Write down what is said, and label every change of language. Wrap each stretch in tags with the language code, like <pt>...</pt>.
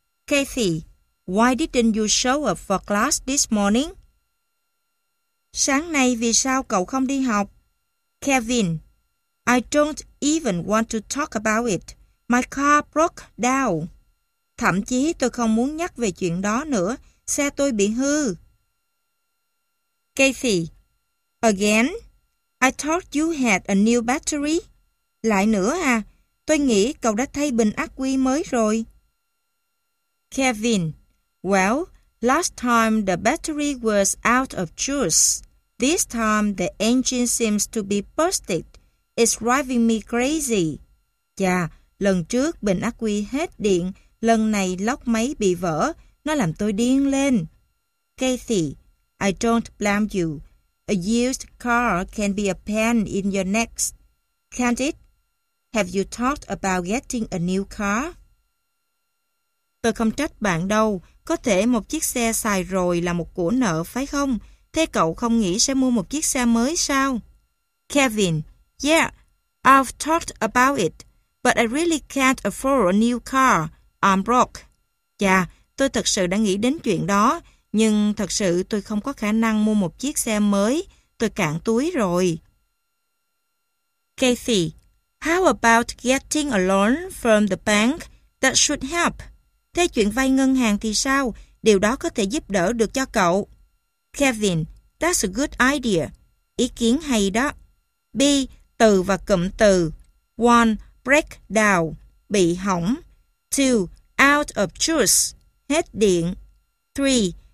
<en>Kathy, why didn't you show up for class this morning?</en> <vi>Sáng nay vì sao cậu không đi học?</vi> <en>Kevin, I don't even want to talk about it. My car broke down.</en> <vi>Thậm chí tôi không muốn nhắc về chuyện đó nữa. Xe tôi bị hư.</vi> <en>Kathy, again, I thought you had a new battery.</en> <vi>Lại nữa à, tôi nghĩ cậu đã thay bình ắc quy mới rồi.</vi> <en>Kevin, well, last time the battery was out of juice. This time the engine seems to be busted. It's driving me crazy.</en> <vi>Chà, lần trước bình ắc quy hết điện, lần này lốc máy bị vỡ, nó làm tôi điên lên.</vi> <en>Kathy, I don't blame you. A used car can be a pain in your neck, can't it? Have you thought about getting a new car?</en> <vi>Tôi không trách bạn đâu. Có thể một chiếc xe xài rồi là một của nợ, phải không? Thế cậu không nghĩ sẽ mua một chiếc xe mới sao?</vi> <en>Kevin, yeah, I've thought about it, but I really can't afford a new car. I'm broke.</en> <vi>Chà, tôi thật sự đã nghĩ đến chuyện đó. Nhưng thật sự tôi không có khả năng mua một chiếc xe mới. Tôi cạn túi rồi.</vi> <en>Kathy, how about getting a loan from the bank? That should help.</en> <vi>Thế chuyện vay ngân hàng thì sao? Điều đó có thể giúp đỡ được cho cậu.</vi> <en>Kevin, that's a good idea.</en> <vi>Ý kiến hay đó. B. Từ và cụm từ.</vi> <en>One, break down.</en> <vi>Bị hỏng.</vi> <en>2. Out of juice,</en> <vi>hết điện.</vi> <en>3.</en>